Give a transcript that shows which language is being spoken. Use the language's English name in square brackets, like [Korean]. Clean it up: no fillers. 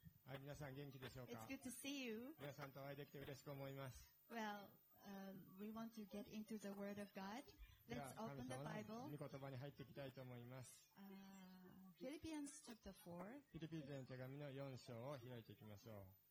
[Japanese] はい、皆さん元気でしょうか。 [English] It's good to see you. [Japanese] 皆さんとお会いできて嬉しく思います。 [English] Well, we want to get into the word of God. Let's open the Bible. [Japanese] 神様の御言葉に入っていきたいと思います。 [English] Philippians chapter 4. [Japanese] フィリピ人手紙の4章を開いていきましょう。